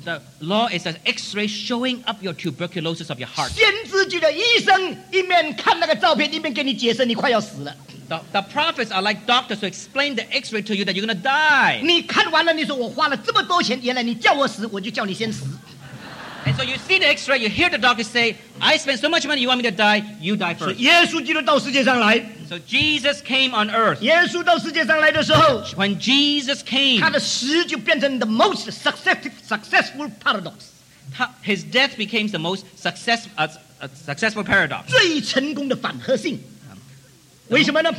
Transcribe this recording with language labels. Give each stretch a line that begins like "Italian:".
English: The law is an X-ray showing up your tuberculosis of your heart.
Chinese: 先知级的医生一面看那个照片，一面给你解释，你快要死了。
English: The prophets are like doctors to explain the X-ray to you that you're gonna die.
Chinese: 你看完了，你说我花了这么多钱，原来你叫我死，我就叫你先死。
English: And so you see the X-ray, you hear the doctor say, I spent so much money, you want me to die, you die first.
Chinese: 耶稣基督到世界上来,
English: so Jesus came on earth.
Chinese: 耶稣到世界上来的时候,
English: when Jesus came,
Chinese: 他的死就变成
English: the most successful paradox. His death became the most successful paradox.
Chinese: 最成功的反合性, 为什么呢?